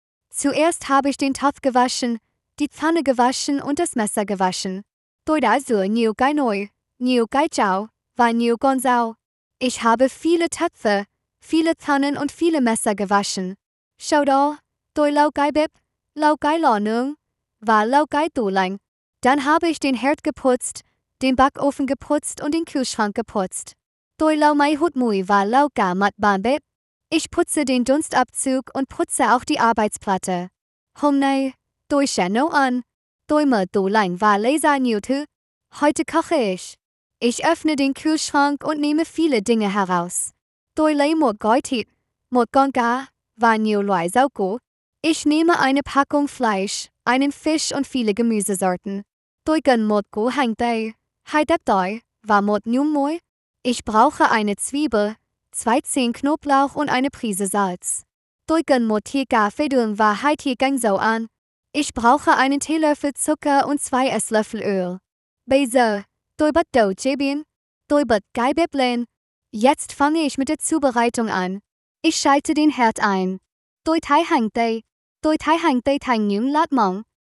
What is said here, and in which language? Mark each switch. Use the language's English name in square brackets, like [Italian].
[German] Zuerst habe ich den Topf gewaschen, die Pfanne gewaschen und das Messer gewaschen. [Vietnamese] Tôi đã rửa nhiều cái nồi, nhiều cái chảo và nhiều con dao. [German] Ich habe viele Töpfe, viele Pfannen und viele Messer gewaschen. [Vietnamese] Sau đó, tôi lau cái bếp, lau cái lò nướng và lau cái tủ lạnh. [German] Dann habe ich den Herd geputzt, den Backofen geputzt und den Kühlschrank geputzt. [Vietnamese] Tôi lau máy hút mùi và lau cả mặt bàn bếp. [German] Ich putze den Dunstabzug und putze auch die Arbeitsplatte. [Vietnamese] Hôm nay, tôi sẽ nấu ăn. Tôi mở tủ lạnh và lấy ra nhiều thứ. [German] Heute koche ich. Ich öffne den Kühlschrank und nehme viele Dinge heraus. [Vietnamese] Tôi lấy một gói thịt, một con cá và nhiều loại rau củ. [German] Ich nehme eine Packung Fleisch, einen Fisch und viele Gemüsesorten. [Vietnamese] Tôi cần một củ hành tây, hai tép tỏi và một nhúm muối. [German] Ich brauche eine Zwiebel, 2 Zehen Knoblauch und eine Prise Salz. [Vietnamese] Tôi cần một thìa cà phê đường và 2 thìa canh dầu ăn. [German] Ich brauche einen Teelöffel Zucker und 2 Esslöffel Öl. [Vietnamese] Bây giờ, tôi bắt đầu chế biến. Tôi bật cái bếp lên. [German] Jetzt fange ich mit der Zubereitung an. Ich schalte den Herd ein. [Vietnamese] Tôi thái hành tây thành những lát mỏng.